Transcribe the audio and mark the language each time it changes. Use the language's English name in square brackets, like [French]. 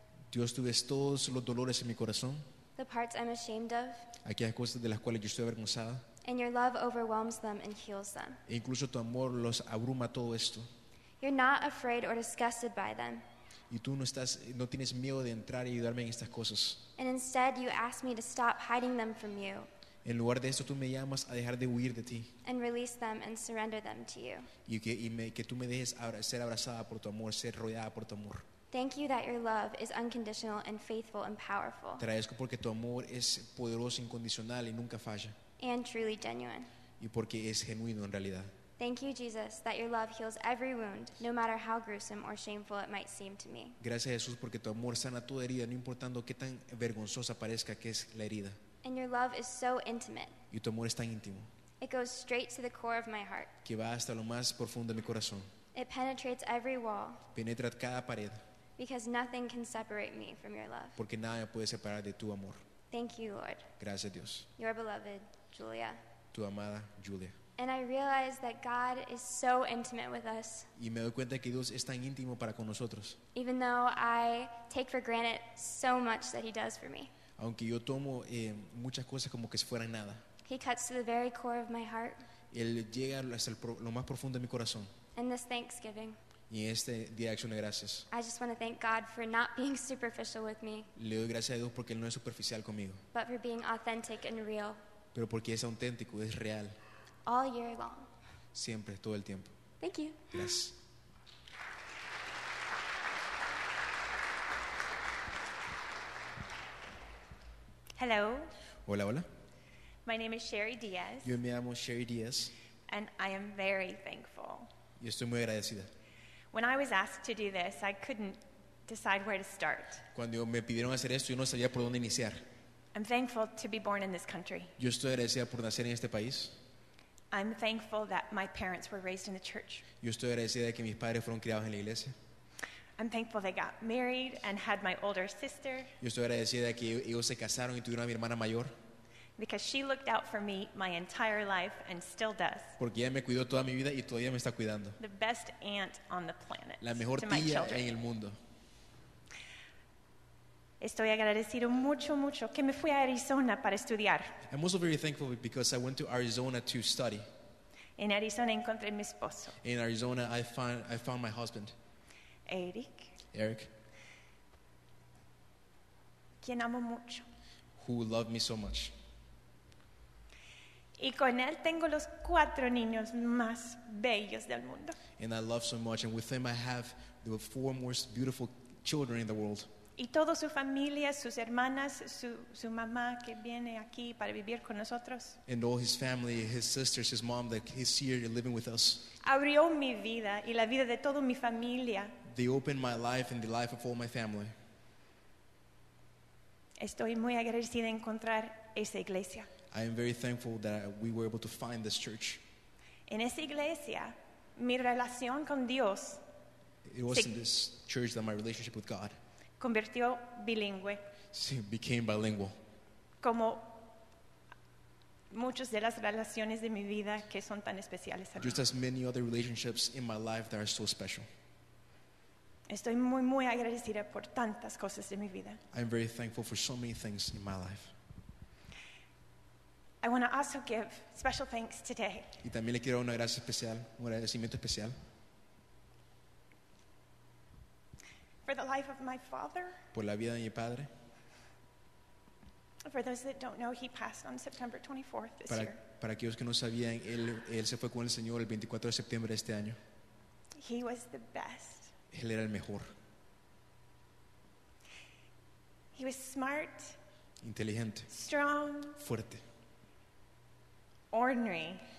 [Spanish] Dios, tú ves todos los dolores en mi corazón. [English] The parts I'm ashamed of. [Spanish] Aquellas cosas de las cuales yo estoy avergonzada. [English] And your love overwhelms them and heals them. [Spanish] E incluso tu amor los abruma todo esto. [English] You're not afraid or disgusted by them. [Spanish] Y tú no tienes miedo de entrar y ayudarme en estas cosas. [English] And instead you ask me to stop hiding them from you. [Spanish] En lugar de esto tú me llamas a dejar de huir de ti. [English] And release them and surrender them to you. [Spanish] Y que tú me dejes ser abrazada por tu amor, ser rodeada por tu amor. [English] Thank you that your love is unconditional and faithful and powerful. [Spanish] Te agradezco porque tu amor es poderoso, incondicional y nunca falla. [English] And truly genuine. [Spanish] Y porque es genuino en realidad. [English] Thank you, Jesus, that your love heals every wound, no matter how gruesome or shameful it might seem to me. [Spanish] Gracias, Jesús, porque tu amor sana toda herida, no importando qué tan vergonzosa parezca que es la herida. [English] And your love is so intimate. [Spanish] Y tu amor es tan íntimo. [English] It goes straight to the core of my heart. [Spanish] Que va hasta lo más profundo de mi corazón. [English] It penetrates every wall. [Spanish] Penetra cada pared. [English] Because nothing can separate me from your love. [Spanish] Porque nada me puede separar de tu amor. [English] Thank you, Lord. [Spanish] Gracias, Dios. [English] Your beloved, Julia. [Spanish] Tu amada, Julia. [English] And I realize that God is so intimate with us. [Spanish] Y me doy cuenta que Dios es tan íntimo para con nosotros. [English] Even though I take for granted so much that he does for me. [Spanish] Aunque yo tomo muchas cosas como que si fueran nada. [English] He cuts to the very core of my heart. [Spanish] Él llega hasta lo más profundo de mi corazón. [English] And this Thanksgiving. [Spanish] Y este día de acción de gracias. [English] I just want to thank God for not being superficial with me. [Spanish] Le doy gracias a Dios porque él no es superficial conmigo. [English] But for being authentic and real. [Spanish] Pero porque es auténtico, es real. [English] All year long. [Spanish] Siempre, todo el tiempo. [English] Thank you. [Spanish] Gracias. [English] Hello. [Spanish] Hola, hola. [English] My name is Sherry Diaz. [Spanish] Yo me llamo Sherry Diaz. [English] And I am very thankful. [Spanish] Y estoy muy agradecida. [English] When I was asked to do this, I couldn't decide where to start. [Spanish] Cuando me pidieron hacer esto, yo no sabía por dónde iniciar. [English] I'm thankful to be born in this country. [Spanish] Yo estoy agradecida por nacer en este país. [English] I'm thankful that my parents were raised in the church. [Spanish] Yo estoy agradecida de que mis padres fueron criados en la iglesia. [English] I'm thankful they got married and had my older sister. [Spanish] Yo estoy agradecida de que ellos se casaron y tuvieron a mi hermana mayor. [English] Because she looked out for me my entire life and still does. [Spanish] Porque ella me cuidó toda mi vida y todavía me está cuidando. [English] The best aunt on the planet. [Spanish] La mejor tía en el mundo. Estoy agradecido mucho, mucho que me fui a Arizona para estudiar. [English] I'm also very thankful because I went to Arizona to study. [Spanish] En Arizona encontré mi esposo. [English] In Arizona, I found my husband. Eric. Eric. [Spanish] Quien amo mucho. [English] Who loved me so much. [Spanish] Y con él tengo los cuatro niños más bellos del mundo. [English] And I love so much. And with him, I have the four most beautiful children in the world. [Spanish] Y toda su familia, sus hermanas, su mamá que viene aquí para vivir con nosotros. [English] And all his family, his sisters, his mom that is here living with us. [Spanish] Abrió mi vida y la vida de toda mi familia. [English] They opened my life and the life of all my family. [Spanish] Estoy muy agradecida de encontrar esa iglesia. [English] I am very thankful that we were able to find this church. [Spanish] En esa iglesia, mi relación con Dios. [English] It was in this church that my relationship with God. [Spanish] Convirtió bilingüe. [English] Sí, became bilingual. [Spanish] Como muchas de las relaciones de mi vida que son tan especiales. [English] Just as many other relationships in my life that are so special. [Spanish] Estoy muy muy agradecida por tantas cosas de mi vida. [English] I am very thankful for so many things in my life. I want to also give special thanks today. [Spanish] Y también le quiero una gracia especial, un agradecimiento especial. [English] For the life of my father. [Spanish] Por la vida de mi padre. [English] For those that don't know, he passed on September 24th this year. [Spanish] Para aquellos que no sabían, él se fue con el Señor el 24 de septiembre de este año. [English] He was the best. [Spanish] Él era el mejor. [English] He was smart. [Spanish] Inteligente. [English] Strong. [Spanish] Fuerte. [English] Ordinary.